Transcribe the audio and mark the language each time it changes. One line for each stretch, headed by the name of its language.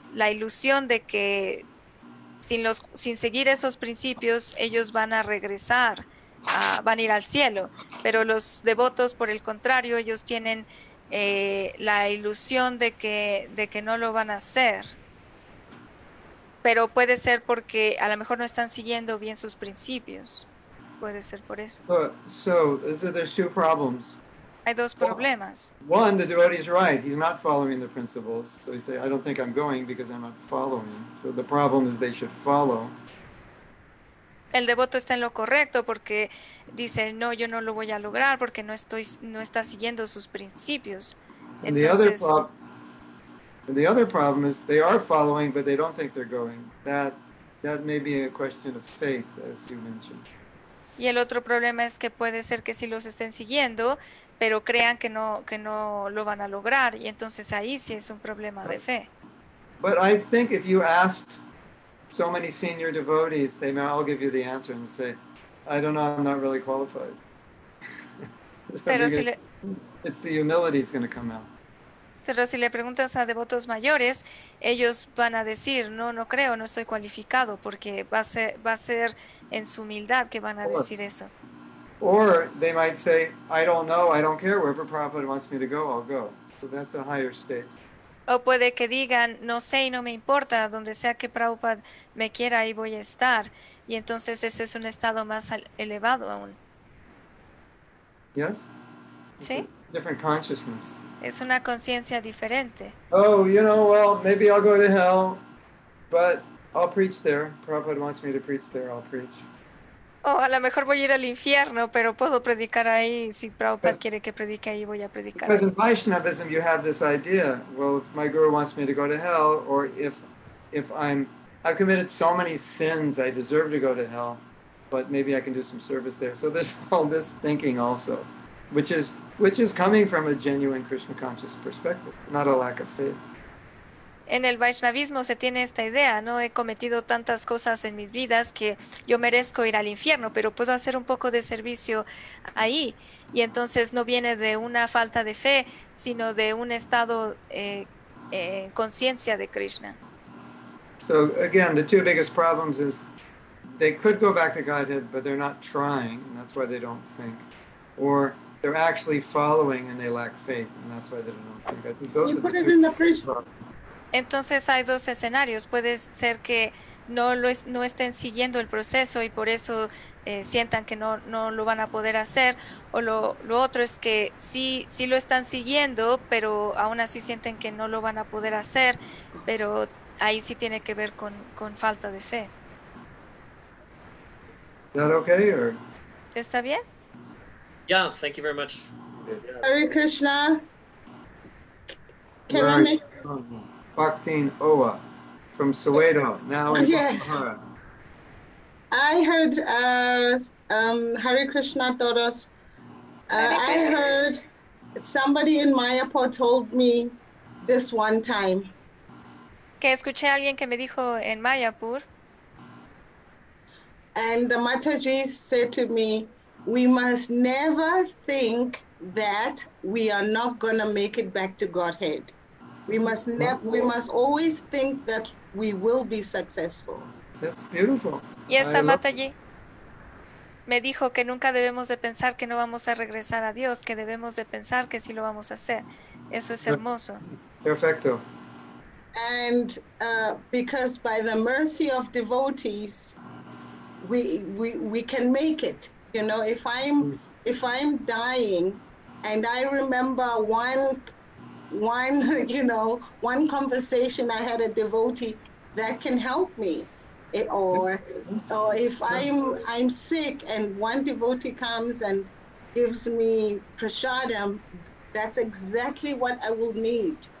Spanish: ilusión de que sin seguir esos principios ellos van a regresar, van a ir al cielo, pero los devotos, por el contrario, ellos tienen la ilusión de que no lo van a hacer, pero puede ser porque a lo mejor no están siguiendo bien sus principios, puede ser por eso.
English: So there's two problems.
Spanish: Hay dos problemas.
English: One, the devotee is right, he's not following the principles, so he say, I don't think I'm going because I'm not following. So the problem is they should follow.
Spanish: El devoto está en lo correcto porque dice, no, yo no lo voy a lograr porque no está siguiendo sus principios.
English: The other problem is they are following, but they don't think they're going. That may be a question of faith, as you mentioned.
Spanish: Y el otro problema es que puede ser que sí los estén siguiendo, pero crean que no lo van a lograr, y entonces ahí sí es un problema de fe.
English: But I think if you asked so many senior devotees, they may all give you the answer and say, I don't know, I'm not really qualified. It's the humility is going to come out.
Spanish: Pero si le preguntas a devotos mayores, ellos van a decir, no, no creo, no estoy cualificado, porque va a ser en su humildad que van a decir eso.
English: Or they might say, I don't know, I don't care, wherever Prabhupada wants me to go, I'll go. So that's a higher state.
Spanish: O puede que digan, no sé y no me importa, donde sea que Prabhupada me quiera, ahí voy a estar. Y entonces ese es un estado más elevado aún.
English: Yes?
Spanish: Sí.
English: Different consciousness.
Spanish: Es una conciencia diferente.
English: Oh, you know, well, maybe I'll go to hell, but I'll preach there. Prabhupada wants me to preach there, I'll preach.
Spanish: Oh, a lo mejor voy a ir al infierno, pero puedo predicar ahí. Si Prabhupada quiere que predique ahí, voy a predicar.
English: Because in Vaishnavism, you have this idea. Well, if my guru wants me to go to hell, or if I've committed so many sins, I deserve to go to hell, but maybe I can do some service there. So there's all this thinking also, which is coming from a genuine Krishna conscious perspective, not a lack of faith.
Spanish: En el Vaishnavismo se tiene esta idea, ¿no? He cometido tantas cosas en mis vidas que yo merezco ir al infierno, pero puedo hacer un poco de servicio ahí. Y entonces no viene de una falta de fe, sino de un estado en conciencia de Krishna.
English: So again, the two biggest problems is they could go back to Godhead, but they're not trying, and that's why they don't think. Or they're actually following and they lack faith, and that's why they don't think.
Spanish: Entonces hay dos escenarios. Puede ser que no estén siguiendo el proceso y por eso sientan que no lo van a poder hacer. O lo otro es que sí lo están siguiendo, pero aún así sienten que no lo van a poder hacer. Pero ahí sí tiene que ver con falta de fe.
English: Is that okay, or?
Spanish: ¿Está bien?
English: Yeah, thank you very much. Hare Krishna. Can right. I make... Bhaktin Owa from Soweto, now in Guadalajara. I heard Hare Krishna taught us. I heard somebody in Mayapur told me this one time.
Spanish: Que escuché a alguien que me dijo en Mayapur.
English: And the Mataji said to me, we must never think that we are not going to make it back to Godhead. We must always think that we will be successful. That's beautiful. Yes, Mataji.
Spanish: me dijo que nunca debemos de pensar que no vamos a regresar a Dios, que debemos de pensar que sí lo vamos a hacer. Eso es hermoso. Perfecto.
English: And because by the mercy of devotees, we can make it. You know, if I'm dying, and I remember one conversation I had a devotee that can help me, or if I'm sick and one devotee comes and gives me prasadam, that's exactly what I will need.